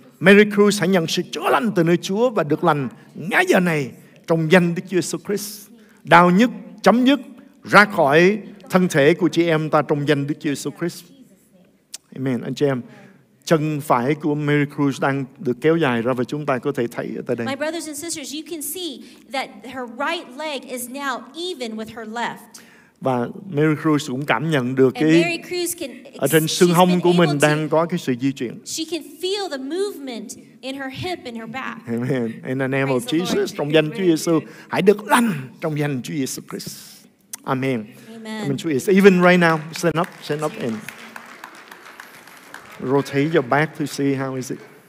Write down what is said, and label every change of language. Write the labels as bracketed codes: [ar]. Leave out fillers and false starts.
[vi] Mary Cruz hãy nhận sự chữa lành từ nơi Chúa và được lành ngay giờ này trong danh Đức Chúa Jesus Christ. Đau nhất, chấm dứt, ra khỏi thân thể của chị em ta trong danh Đức Chúa Jesus Christ. Amen, anh chị em. Chân phải của Mary Cruz đang được kéo dài ra và chúng ta có thể thấy ở tại đây. [en] My brothers and sisters, you can see that her right leg is now even with her left. [vi] Và Mary Cruz cũng cảm nhận được cái ở trên xương hông của mình đang có cái sự di chuyển. [en] She can feel the movement in her hip and her back. Amen. In the name of Jesus, [vi] trong danh Chúa Giêsu, hãy được lành trong danh Chúa Giêsu Christ. Amen. Amen. [en] Even right now, stand up and rotate your back to see how is it.